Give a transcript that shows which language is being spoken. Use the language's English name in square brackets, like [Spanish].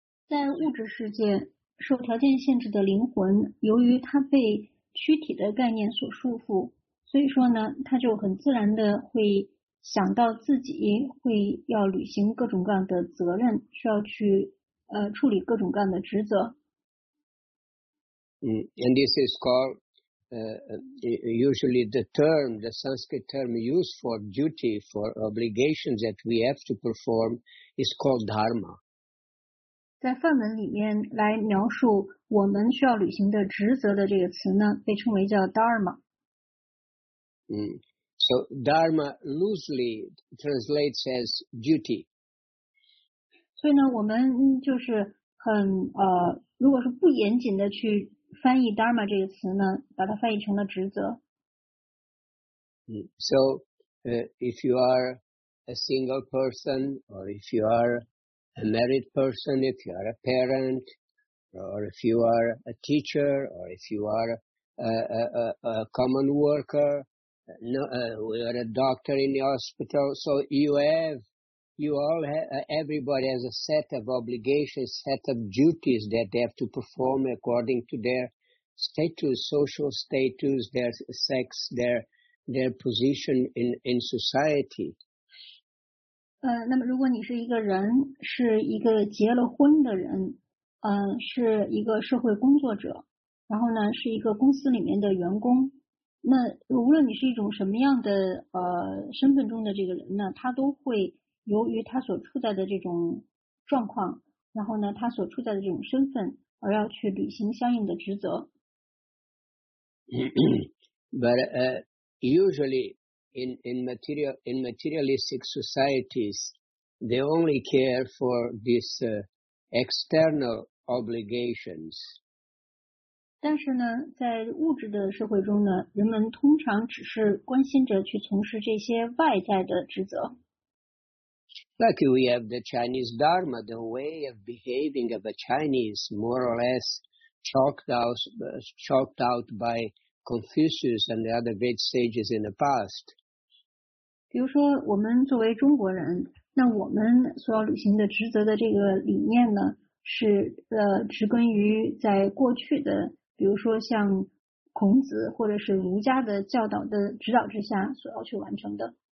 [Chinese] 在物质世界，受条件限制的灵魂，由于它被躯体的概念所束缚，所以说呢，他就很自然的会想到自己会要履行各种各样的责任，需要去处理各种各样的职责。 [English] And this is called usually the term, the Sanskrit term used for duty, for obligations that we have to perform is called dharma. [Chinese] 在梵文里面来描述我们需要履行的职责的这个词呢，被称为叫 dharma。 [English] So dharma loosely translates as duty. [Chinese] 所以呢，我们就是很如果是不严谨的去翻译 dharma 这个词呢，把它翻译成了职责。 [English] So if you are a single person, or if you are a married person, if you are a parent, or if you are a teacher, or if you are a common worker, we are a doctor in the hospital. So everybody has a set of obligations, set of duties that they have to perform according to their status, social status, their sex, their position in society. [Chinese] 那么如果你是一个人，是一个结了婚的人，是一个社会工作者，然后呢，是一个公司里面的员工。那无论你是一种什么样的身份中的这个人呢，他都会由于他所处在的这种状况，然后呢，他所处在的这种身份，而要去履行相应的职责。 [English] But usually in materialistic societies, they only care for these external obligations. [Chinese] 但是呢，在物质的社会中呢，人们通常只是关心着去从事这些外在的职责。 [English] Like we have the Chinese Dharma, the way of behaving of a Chinese, more or less chalked out by Confucius and the other great sages in the past. [Chinese] 比如说，我们作为中国人，那我们所要履行的职责的这个理念呢，是植根于在过去的。比如说像孔子或者是儒家的教导的指导之下所要去完成的。